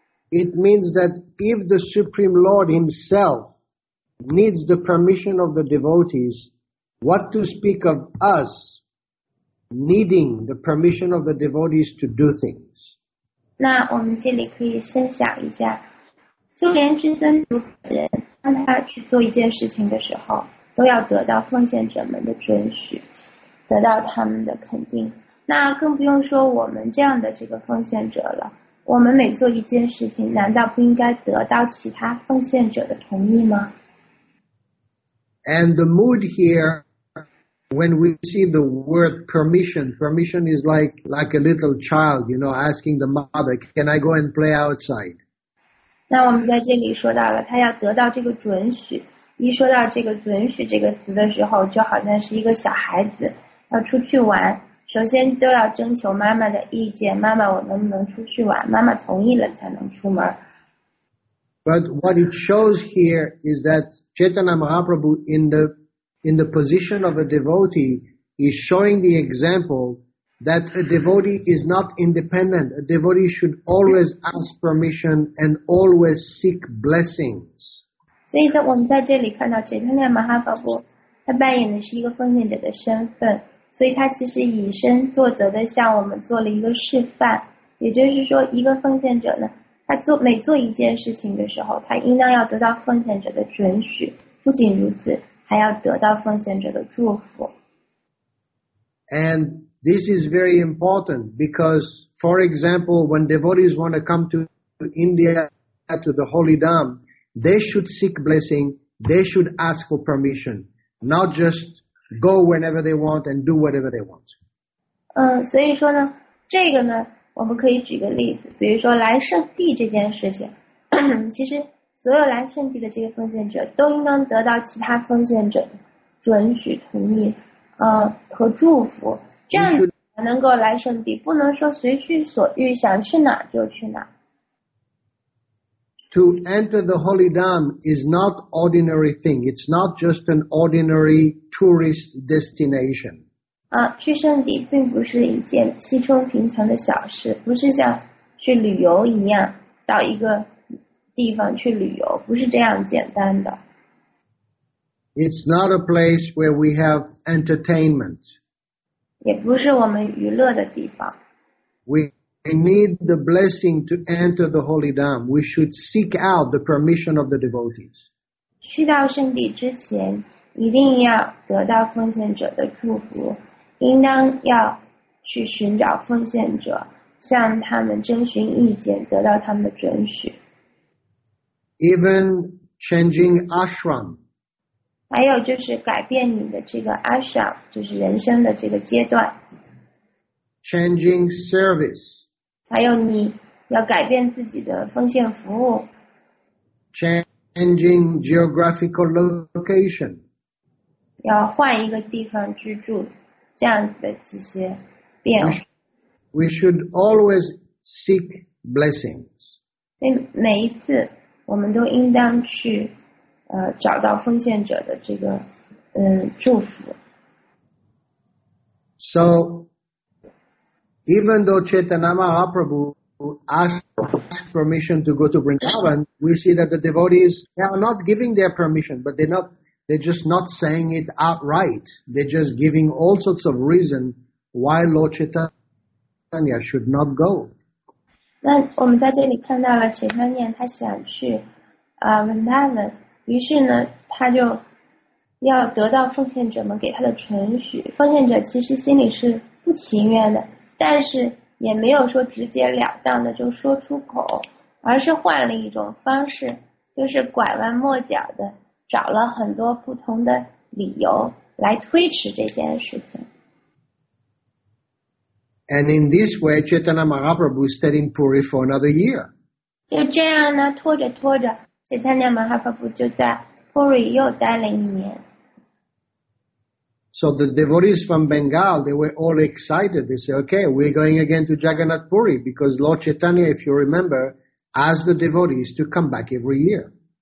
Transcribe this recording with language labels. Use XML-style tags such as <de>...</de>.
<en>It means that if the Supreme Lord himself needs the permission of the devotees, what to speak of us needing the permission of the devotees to do things.</en> <zh>那我们这里可以先想一下，就连至尊如来人，当他去做一件事情的时候，都要得到奉献者们的准许，得到他们的肯定。那更不用说我们这样的这个奉献者了。我们每做一件事情，难道不应该得到其他奉献者的同意吗？</zh> <en>And the mood here, when we see the word permission, permission is like a little child, you know, asking the mother, can I go and play outside?</en> <zh>那我们在这里说到了，他要得到这个准许。一说到这个准许这个词的时候，就好像是一个小孩子要出去玩。首先都要征求妈妈的意见，妈妈，我能不能出去玩？妈妈同意了才能出门。</zh> <en>But what it shows here is that Chaitanya Mahaprabhu, in the position of a devotee, is showing the example that a devotee is not independent. A devotee should always ask permission and always seek blessings.</en> <zh>所以在我们在这里看到 Chaitanya Mahaprabhu, 他扮演的是一个奉献者的身份。所以他其实以身作则地向我们做了一个示范，也就是说一个奉献者呢，他做每做一件事情的时候，他应当要得到奉献者的准许，不仅如此，还要得到奉献者的祝福。</zh> <en>And this is very important because, for example, when devotees want to come to India to the Holy Dham, they should seek blessing, they should ask for permission, not justGo whenever they want and do whatever they want.</en> <zh>所以说呢，这个呢，我们可以举个例子，比如说来圣地这件事情，其实所有来圣地的这个奉献者都应当得到其他奉献者准许、同意，和祝福，这样才能够来圣地，不能说随心所欲，想去哪就去哪。</zh> <en>To enter the Holy Dham is not ordinary thing. It's not just an ordinary tourist destination.</en> <zh>去圣地并不是一件稀松平常的小事，不是像去旅游一样到一个地方去旅游，不是这样简单的。</zh> <en>It's not a place where we have entertainment.</en> <zh>也不是我们娱乐的地方。</zh> <en>We need the blessing to enter the Holy Dham. We should seek out the permission of the devotees.</en> <zh>去到圣地之前，一定要得到奉献者的祝福，应当要去寻找奉献者，向他们征询意见，得到他们的准许。</zh> <en>Even changing ashram.</en> <zh>还有就是改变你的这个 ashram， 就是人生的这个阶段。</zh> <en>Changing service.</en> <zh>还有你要改变自己的奉献服务。</zh> <en>Changing geographical location.</en> <zh>要换一个地方居住，这样子的这些变化。</zh> <en>We should always seek blessings.</en> <zh>每一次我们都应当去找到奉献者的这个祝福。</zh> <en>So,Even though Chaitanya Mahaprabhu asked permission to go to Vrindavan, we see that the devotees, they are not giving their permission, but they're just not saying it outright. They're just giving all sorts of reason why Lord Chaitanya should not go.</en> <zh>那我们在这里看到了 Chaitanya 他想去Vrindavan, 于是呢他就要得到奉献者们给他的准许。奉献者其实心里是不情愿的。但是也没有说直截了当的就说出口，而是换了一种方式，就是拐弯抹角的找了很多不同的理由来推迟这件事情。</zh> <en>And in this way, Chaitanya Mahaprabhu stayed in Puri for another year.</en> <zh>就这样呢，拖着拖着 ，Chaitanya Mahaprabhu 就在 Puri 又待了一年。</zh> <en>So the devotees from Bengal, they were all excited. They said, okay, we're going again to Jagannath Puri because Lord Chaitanya, if you remember, asked the devotees to come back every year.</en>